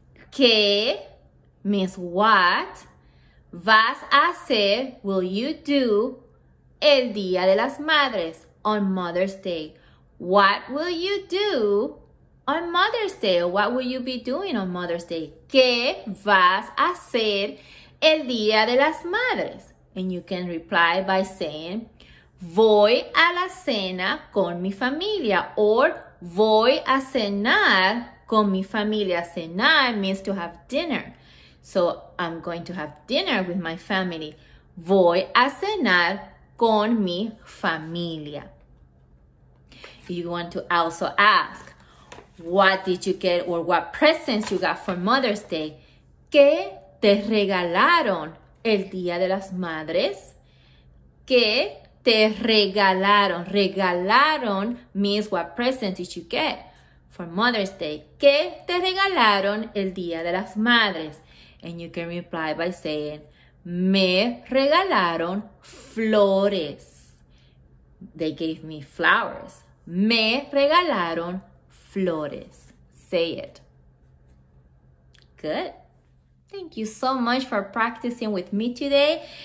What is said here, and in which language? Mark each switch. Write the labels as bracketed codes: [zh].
[es] ¿Qué [en] means what? [es] ¿Vas a hacer, [en] will you do, [es] el día de las madres [en] on Mother's Day? What will you do on Mother's Day? What will you be doing on Mother's Day? [es] ¿Qué vas a hacer el día de las madres? [en] And you can reply by saying, [es] voy a la cena con mi familia, or voy a cenar con mi familia. [en] Cenar means to have dinner. So I'm going to have dinner with my family. [es] Voy a cenar con mi familia. [en] You want to also ask, what did you get or what presents you got for Mother's Day? [es] ¿Qué te regalaron el Día de las Madres? ¿Qué te regalaron? [en] Regalaron means what present did you get for Mother's Day? [es] ¿Qué te regalaron el Día de las Madres? [en] And you can reply by saying, [es] me regalaron flores. [en] They gave me flowers. [es] Me regalaron flores. [en] Say it. Good. Thank you so much for practicing with me today.